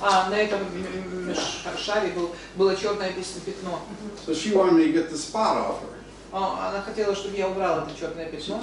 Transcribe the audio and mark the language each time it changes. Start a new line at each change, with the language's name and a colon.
Russian: На этом шаре было черное пятно.
English: So she wanted me to get the spot off her.
Russian: Она хотела, чтобы я убрал это черное пятно.